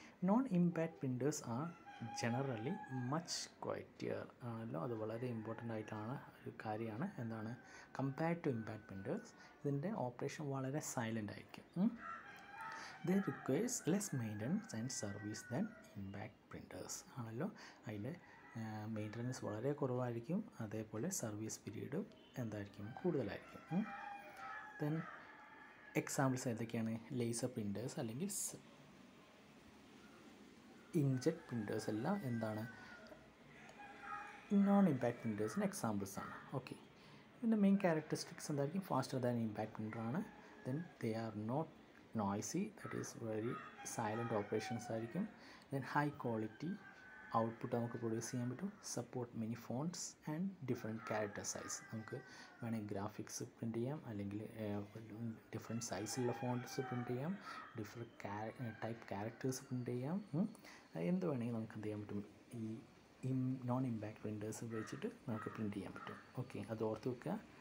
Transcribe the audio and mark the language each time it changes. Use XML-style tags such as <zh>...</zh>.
<en>Non impact printers are generally much ക്വാളിറ്റിയർ.</en> <ml>ആണല്ലോ, അത് വളരെ ഇമ്പോർട്ടൻ്റ് ആയിട്ടാണ് ഒരു കാര്യമാണ്. എന്താണ്</ml> <en>compared to impact printers,</en> <ml>ഇതിൻ്റെ ഓപ്പറേഷൻ വളരെ സൈലൻ്റ് ആയിരിക്കും.</ml> <en>They requires less maintenance and service than impact printers.</en> <ml>ആണല്ലോ, അതിൻ്റെ മെയിൻ്റനൻസ് വളരെ കുറവായിരിക്കും, അതേപോലെ സർവീസ് പീരീഡും എന്തായിരിക്കും, കൂടുതലായിരിക്കും. ദെൻ എക്സാമ്പിൾസ് ഏതൊക്കെയാണ്? ലേസർ പ്രിൻറ്റേഴ്സ് അല്ലെങ്കിൽ ഇങ്ക്ജെറ്റ് പ്രിൻറ്റേഴ്സ് എല്ലാം എന്താണ് നോൺ ഇമ്പാക്ട് പ്രിൻറ്റേഴ്സിന് എക്സാമ്പിൾസാണ്. ഓക്കെ, ഇതിൻ്റെ മെയിൻ ക്യാരക്ടറിസ്റ്റിക്സ് എന്തായിരിക്കും?</ml> <en>Faster than impact പ്രിൻ്ററാണ്. Then they are not noisy, that is very silent operations</en> <ml>ആയിരിക്കും. ദെൻ ഹൈ ക്വാളിറ്റി ഔട്ട്പുട്ട് നമുക്ക് പ്രൊഡ്യൂസ് ചെയ്യാൻ പറ്റും.</ml> <en>Support many fonts and different character size.</en> <ml>നമുക്ക് വേണമെങ്കിൽ ഗ്രാഫിക്സ് പ്രിൻ്റ് ചെയ്യാം, അല്ലെങ്കിൽ ഡിഫറെൻറ്റ് സൈസിലുള്ള ഫോണ്ട്സ് പ്രിൻ്റ് ചെയ്യാം, ഡിഫറെൻറ്റ് ടൈപ്പ് ക്യാരക്ടേഴ്സ് പ്രിൻ്റ് ചെയ്യാം, എന്ത് വേണമെങ്കിൽ നമുക്ക് എന്ത് ചെയ്യാൻ പറ്റും, ഈ നോൺ ഇമ്പാക്ട് പ്രിൻ്റേഴ്സ് ഉപയോഗിച്ചിട്ട് നമുക്ക് പ്രിൻ്റ് ചെയ്യാൻ പറ്റും. ഓക്കെ, അത് ഓർത്ത് വെക്കുക.</ml>